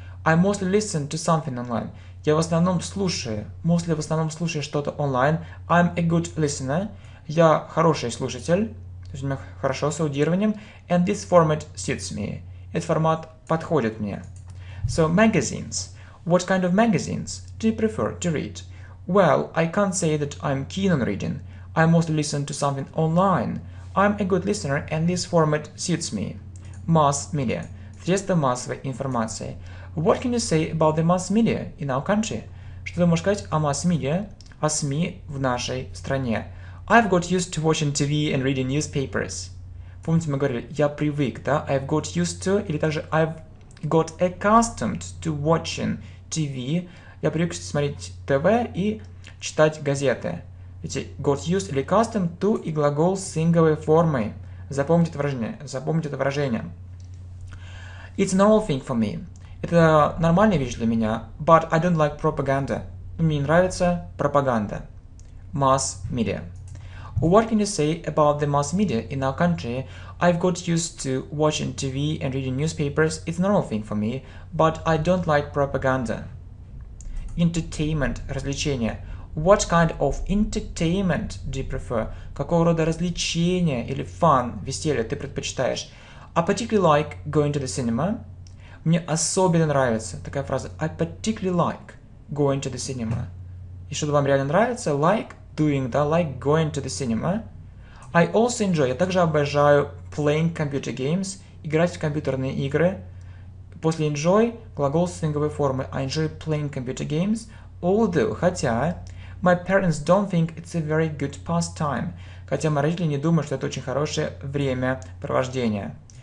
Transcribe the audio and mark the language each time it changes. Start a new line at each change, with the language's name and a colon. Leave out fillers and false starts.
English: I mostly listen to something online.
Russian: Я в основном слушаю. Mostly в основном слушаю что-то онлайн.
English: I'm a good listener.
Russian: Я хороший слушатель. То есть у меня хорошо с аудированием.
English: And this format suits me.
Russian: Этот формат подходит мне.
English: So, magazines. What kind of magazines do you prefer to read? Well, I can't say that I'm keen on reading. I mostly listen to something online. I'm a good listener and this format suits me. Mass media.
Russian: Средства массовой информации.
English: What can you say about the mass media in our country?
Russian: Что ты можешь сказать о масс-медиа, о СМИ в нашей стране?
English: I've got used to watching TV and reading newspapers.
Russian: Помните, мы говорили, я привык, да?
English: I've got used to,
Russian: или также
English: I've got accustomed to watching TV.
Russian: Я привык смотреть ТВ и читать газеты. Видите, got used или accustomed to и глагол с инговой формой. Запомните это выражение, запомните это выражение.
English: It's a normal thing for me.
Russian: Это нормальная вещь для меня,
English: but I don't like propaganda.
Russian: Мне не нравится пропаганда.
English: Mass media. What can you say about the mass media in our country? I've got used to watching TV and reading newspapers. It's a normal thing for me, but I don't like propaganda. Entertainment, развлечения. What kind of entertainment do you prefer?
Russian: Какого рода развлечения или фан, веселье ты предпочитаешь?
English: I particularly like going to the cinema.
Russian: Мне особенно нравится такая фраза.
English: I particularly like going to the cinema.
Russian: И что-то вам реально нравится?
English: Like doing, да? Like going to the cinema. I also enjoy.
Russian: Я также обожаю
English: playing computer games.
Russian: Играть в компьютерные игры. После enjoy глагол сленговой формы.
English: I enjoy playing computer games. Although, хотя, my parents don't think it's a very good pastime.
Russian: Хотя мои родители не думают, что это очень хорошее времяпровождение.